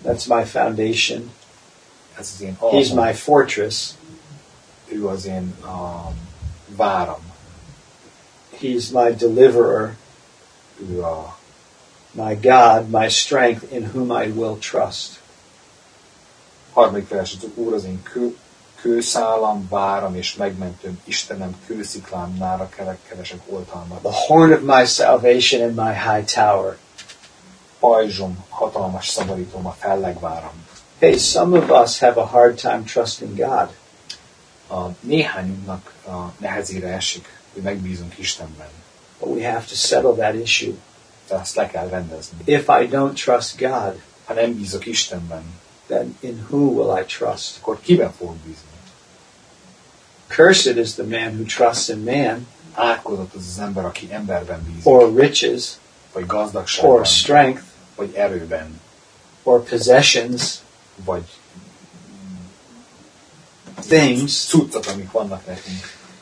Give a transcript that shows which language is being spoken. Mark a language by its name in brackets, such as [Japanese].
[English] That's my foundation. Ez az én alapom. He's my fortress. Ő az én váram. He's my deliverer. [Hungarian] Ő a... [English] My God, my strength, in whom I will trust. [Hungarian] 3. vers, az Úr az én kőszálam, váram és megmentőm, Istenem, kősziklám, nára keresek oltalmat. [English] The horn of my salvation and my high tower. [Hungarian] Pajzsom, hatalmas szabadítom, a fellegváram. [English] Hey, some of us have a hard time trusting God. [Hungarian] Néhányunknak nehezére esik, hogy megbízunk Istenben. [English] But we have to settle that issue. [Hungarian] De azt le kell rendezni. [English] If I don't trust God, [Hungarian] ha nem bízok Istenben, [English] then in who will I trust? [Hungarian] Akkor kiben fogok bízni? [English] Cursed is the man who trusts in man. [Hungarian] Átkozott az az ember, aki emberben bízik. [English] Or riches. [Hungarian] Vagy gazdagságban. [English] Or strength. [Hungarian] Vagy erőben. [English] Or possessions. [Hungarian] Vagy [English] things. [Hungarian] Cuccok, amik vannak nekünk.